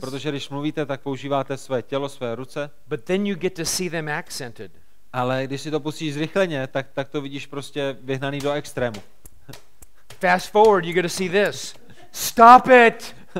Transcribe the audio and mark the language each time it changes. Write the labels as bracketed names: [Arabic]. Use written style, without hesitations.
[Czech] Protože když mluvíte, tak používáte své tělo, své ruce. [English] But then you get to see them accented. [Czech] Ale když si to pustíš zrychleně, tak to vidíš prostě vyhnaný do extrému. [English] Fast forward, you get to see this. Stop it.